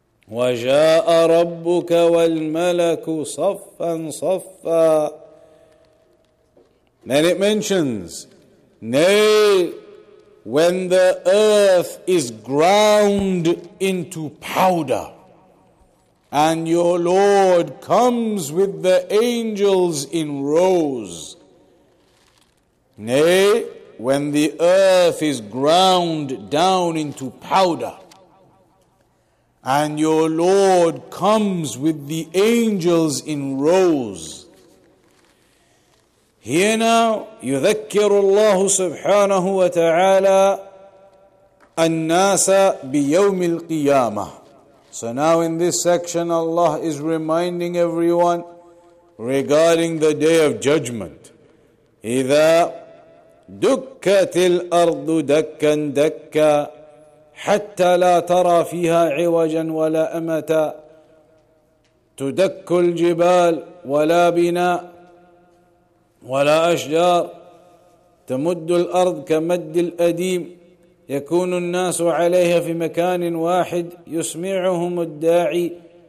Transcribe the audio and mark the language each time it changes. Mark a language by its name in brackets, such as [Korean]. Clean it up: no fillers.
[Arabic] وَجَاءَ رَبُّكَ وَالْمَلَكُ صَفًّا صَفًّا [English] Then it mentions, Nay, when the earth is ground into powder, and your Lord comes with the angels in rows. Nay, when the earth is ground down into powder, and your Lord comes with the angels in rows. Here now, [Arabic] يذكر الله سبحانه وتعالى الناس بيوم القيامة. [English] So now in this section, Allah is reminding everyone regarding the Day of Judgment. [Arabic] إِذَا دُكَّتِ الْأَرْضُ دَكَّا دَكَّا حَتَّى لَا تَرَى فِيهَا عِوَجًا وَلَا أَمَتَا تُدَكُّ الْجِبَالِ وَلَا بِنَا وَلَا أَشْجَارِ تَمُدُّ الْأَرْضُ كَمَدِّ الْأَدِيمِ يكون الناس عليها في مكان واحد يسمعهم الداعي